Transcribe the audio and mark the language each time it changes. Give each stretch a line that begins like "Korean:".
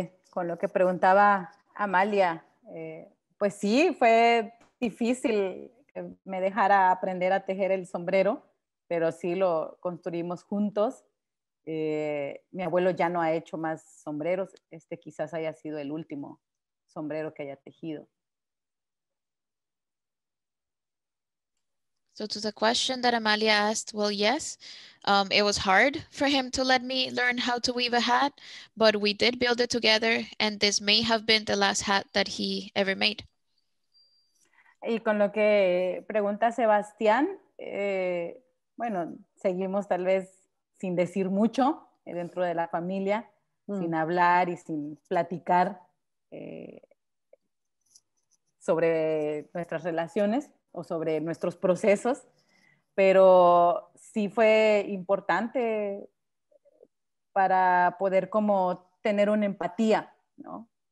Spanish: Con lo que preguntaba Amalia, pues sí, fue difícil que me dejara aprender a tejer el sombrero, pero sí lo construimos juntos. Mi abuelo ya no ha hecho más sombreros. Quizás haya sido el último sombrero que haya tejido.
English: So to the question that Amalia asked, well, yes, it was hard for him to let me learn how to weave a hat, but we did build it together, and this may have been the last hat that he ever made.
Spanish: Y con lo que pregunta Sebastián, bueno, seguimos tal vez sin decir mucho dentro de la familia, sin hablar y sin platicar sobre nuestras relaciones o sobre nuestros procesos, pero sí fue importante para poder como tener una empatía, ¿no?